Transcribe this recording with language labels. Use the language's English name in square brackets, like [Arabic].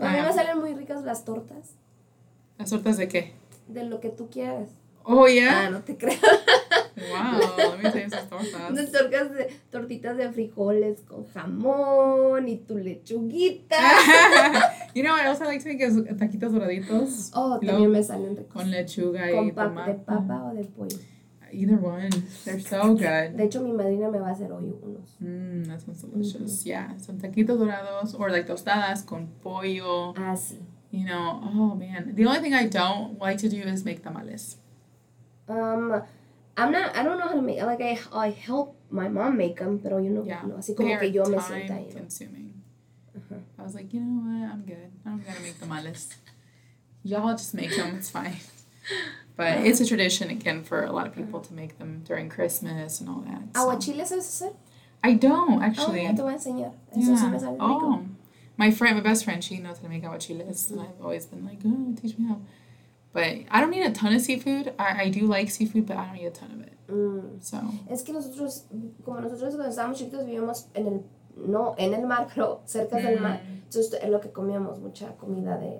[Spanish] A mí me salen muy ricas las tortas. ¿Las tortas de qué? De lo que tú quieras. [English] Oh, yeah? [Spanish] Ah, no te creo. [English] Wow, let me tell you some tortas. [Spanish] De tortitas de frijoles con jamón y tu lechuguita. [English] You know what else I like to make is taquitos doraditos. [Spanish] Oh, también me salen ricos. Con lechuga con y tomate. De papa o de pollo. [English] Either one. They're so good. [Spanish] De hecho, mi madrina me va a hacer hoy unos. [English] Mmm, that sounds delicious. Mm-hmm. Yeah, some taquitos dorados or like [Spanish] tostadas con pollo. Ah, sí. [English] You know, oh, man. The only thing I don't like to do is make tamales. I don't know how to make, like, I help my mom make them, pero you know, yeah. [Spanish] No, así como que yo me sienta, [English] you know. Consuming. Uh-huh. I was like, you know what, I'm good, I don't gotta make the tamales, y'all just make them, it's fine, but uh-huh. It's a tradition, again, for a lot of people to make them during Christmas and all that, so. [Spanish] ¿Aguachiles sabes hacer? [English] I don't, actually. [Spanish] Oh, ya te voy a enseñar, eso yeah. Sí me sale rico. [English] Oh, my best friend, she knows how to make aguachiles, mm-hmm. And I've always been like, oh, teach me how. But I don't need a ton of seafood. I do like seafood, but I don't need a ton of it. Mm. So. [Spanish] Es que nosotros, como nosotros cuando estábamos chiquitos, vivíamos en el mar, pero cerca del mar. Entonces, es lo que comíamos, mucha comida de